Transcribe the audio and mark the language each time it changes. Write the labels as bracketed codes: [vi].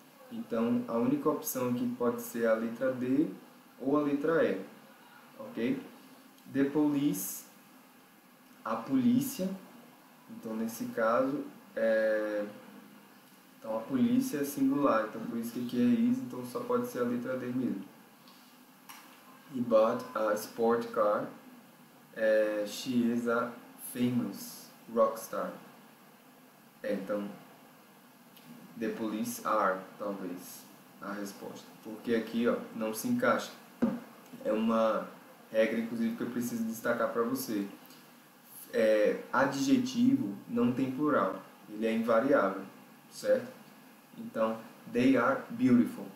[pt] Então, a única opção aqui pode ser a letra D ou a letra E, ok? The police, a polícia, então nesse caso, então a polícia é singular, então por isso que aqui é is, então só pode ser a letra D mesmo. [en] He bought a sport car. She is a famous rock star. [pt] Então, [en] the police are, [pt] talvez, a resposta. Porque aqui, ó, não se encaixa. É uma regra, inclusive, que eu preciso destacar para você. Adjetivo não tem plural. Ele é invariável, certo? [en] Então, they are beautiful.